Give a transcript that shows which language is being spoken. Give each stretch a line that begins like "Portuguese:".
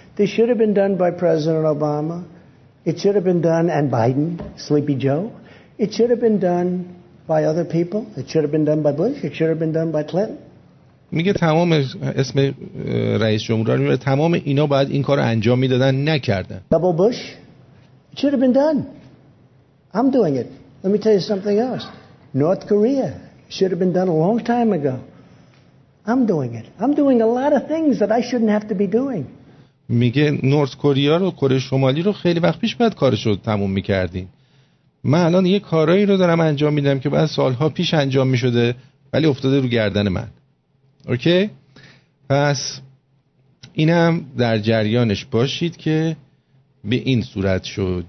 English: This should have been done by President Obama. It should have been done, and Biden, Sleepy Joe. It should have been done by other people. It should have been done by Bush. It should have been done by Clinton.
Persian: میگه تمام اسم رئیس جمهور رو میبره، تمام اینا باید این کار رو انجام میدادن، نکردن.
English: Double Bush. It should have been done. I'm doing it. Let me tell you something else. North Korea. It should have been done a long time ago. I'm doing it. I'm doing a lot of things that I shouldn't have to be doing.
Persian: میگه نورث کوریا رو، کره شمالی رو خیلی وقت پیش باید کارشو تموم میکردین. من الان یه کارایی رو دارم انجام میدم که بعد سالها پیش انجام میشده ولی افتاده رو گردن من. اوکی؟ پس اینم در جریانش باشید که به این صورت شد.